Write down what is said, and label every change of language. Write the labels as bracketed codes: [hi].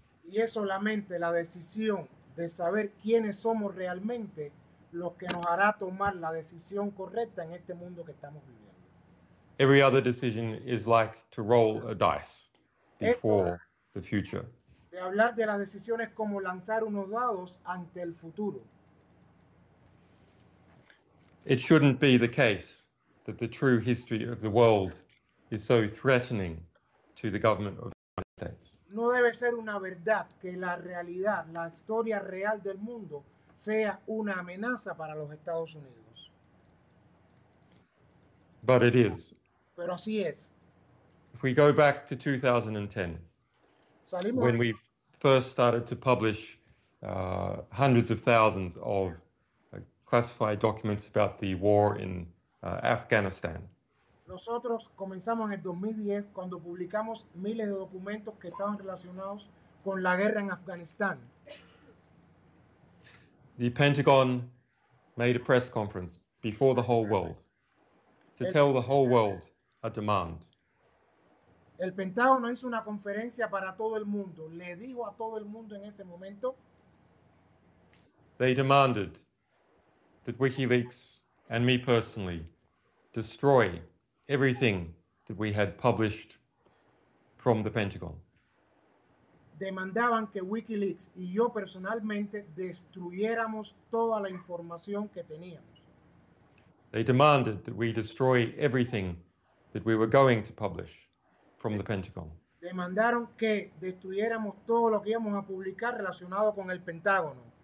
[es] Y es solamente la decisión de saber quiénes somos realmente los que nos hará tomar la decisión correcta en este mundo que estamos viviendo. [en] Every other decision is like to roll a dice before the future. [es] De hablar de las decisiones como lanzar unos dados ante el futuro. [en] It shouldn't be the case that the true history of the world is so threatening to the government of the United States. [es] No debe ser una verdad que la realidad, la historia real del mundo, sea una amenaza para los Estados Unidos. [en] But it is. [es] Pero así es. [en] If we go back to 2010, when we first started to publish hundreds of thousands of classified documents about the war in Afghanistan. [es] Nosotros comenzamos en el 2010 cuando publicamos miles de documentos que estaban relacionados con la guerra en Afganistán. [en] The Pentagon made a press conference before the whole world to tell the whole world a demand. [es] El Pentágono hizo una conferencia para todo el mundo. Le dijo a todo el mundo en ese momento. [en] They demanded that WikiLeaks and me personally destroy everything that we had published from the Pentagon. [es] demandaban que Wikileaks y yo personalmente destruyéramos toda la información que teníamos. [en] They demanded that we destroy everything that we were going to publish from the Pentagon. [es] Demandaron que destruyéramos todo lo que íbamos a publicar relacionado con el Pentágono.